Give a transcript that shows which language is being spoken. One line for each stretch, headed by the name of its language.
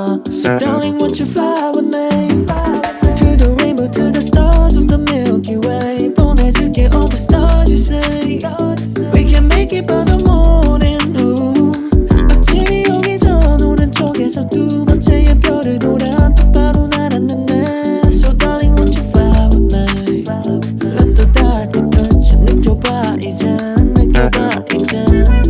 English: So darling won't you fly with me to the rainbow, to the stars of the Milky Way.
Korean: 보내줄게
English: all the stars you say. We can make it by the morning, ooh.
Korean: 아침이 오기 전 오른쪽에서 두 번째의 별을 돌아 똑바로 날았는데.
English: So darling won't you fly with me. Let the dark be touch.
Korean: 느껴봐 이젠, 느껴봐 이젠.